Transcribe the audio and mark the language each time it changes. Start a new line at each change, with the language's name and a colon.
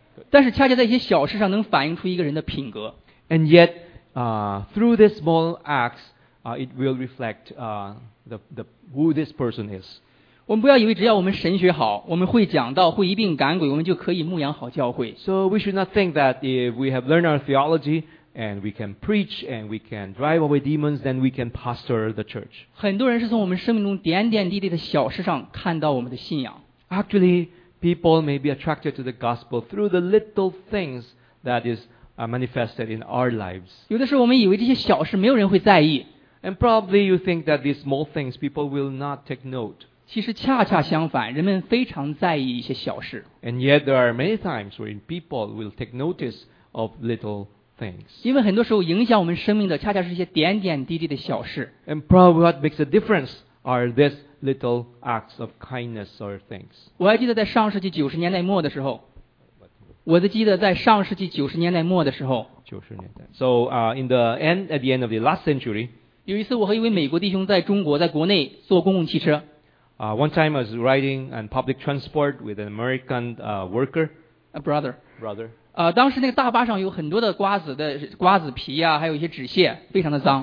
Chinese: 但是恰恰在一些小事上能反映出一个人的品格。
English: And yet, through this small acts, it will reflect the who this person is.
Chinese: 我们不要以为只要我们神学好，我们会讲道，会一并赶鬼，我们就可以牧养好教会。
English: So we should not think that if we have learned our theology and we can preach and we can drive away demons, then we can pastor the church.
Chinese: 很多人是从我们生命中点点滴滴的小事上看到我们的信仰。
English: Actually, people may be attracted to the gospel through the little things that is manifested in our lives.
Chinese: 有的时候我们以为这些小事没有人会在意。
English: And probably you think that these small things people will not take note.
Chinese: 其实恰恰相反，人们非常在意一些小事。
English: And yet there are many times when people will take notice of little things.
Chinese: 因为很多时候影响我们生命的恰恰是一些点点滴滴的小事。
English: And probably what makes a difference are these little acts of kindness or things.
Chinese: 我还记得在上世纪九十年代末的时候。我的记得在上世纪九十年代末的时候，九十年代。
English: So, at the end of the last century,
Chinese: 有一次我和一位美国弟兄在中国，在国内坐公共汽车。
English: One time I was riding on public transport with an American worker, a brother. Brother.
Chinese: 当时那个大巴上有很多的瓜子皮啊，还有一些纸屑，非常的脏。